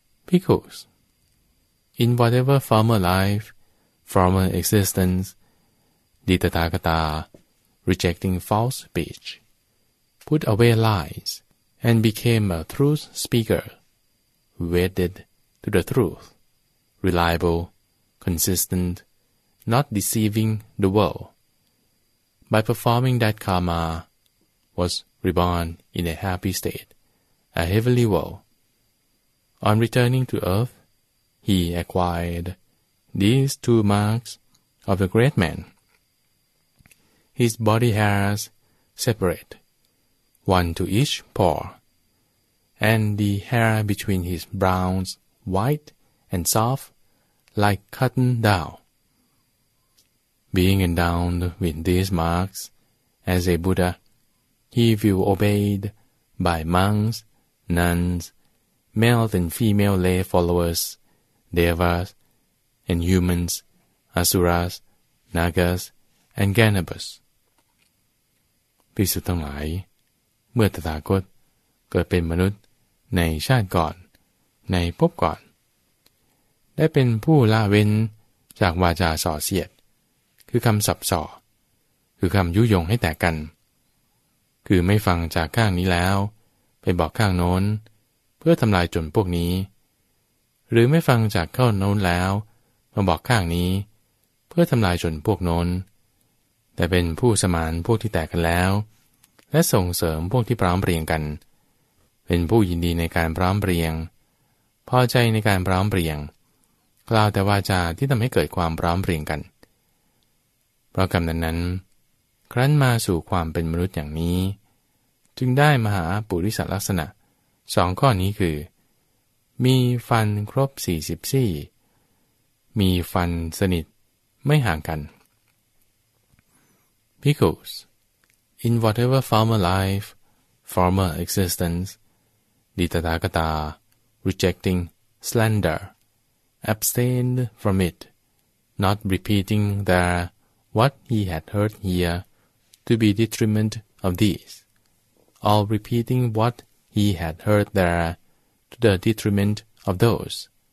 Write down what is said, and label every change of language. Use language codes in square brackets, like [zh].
[en] Because in whatever former life, former existence, the Tathagata, rejecting false speech, put away lies and became a truth speaker, wedded to the truth, reliable, consistent,not deceiving the world. By performing that karma, was reborn in a happy state, a heavenly world. On returning to earth, he acquired these two marks of a great man. His body hairs separate, one to each paw, and the hair between his brows white and soft, like cotton down. Being endowed with these marks, as a Buddha, he will obeyed by monks, nuns, male and female lay followers, devas, and humans, asuras, nagas, and ganabas. [th] ภิกษุทั้งหลายเมื่อตถาคตเกิดเป็นมนุษย์ในชาติก่อนในภพก่อนได้เป็นผู้ละเว้นจากวาจาส่อเสียดคือคำสับสอคือคำยุยงให้แตกกันคือไม่ฟังจากข้างนี้แล้วไปบอกข้างโน้นเพื่อทำลายจนพวกนี้ หรือไม่ฟังจากข้างโน้นแล้วมาบอกข้างนี้เพื่อทำลายจนพวกโน้นแต่เป็นผู้สมานพวกที่แตกกันแล้วและส่งเสริมพวกที่พร้อมเรียงกันเป็นผู้ยินดีในการพร้อมเรียงพอใจในการพร้อมเรียงกล่าวแต่วาจาที่ทำให้เกิดความพร้อมเรียงกัน เพราะกรรมนั้นครั้นมาสู่ความเป็นมนุษย์อย่างนี้จึงได้มหาปุริสลักษณะสองข้อนี้คือมีฟันครบ44มีฟันสนิท ไม่ห่างกัน [en] Because in whatever former life, former existence, the Tathagata, rejecting slander, abstained from it, not repeating there what he had heard here, to be detriment of these, or repeating what he had heard there to the detriment of those.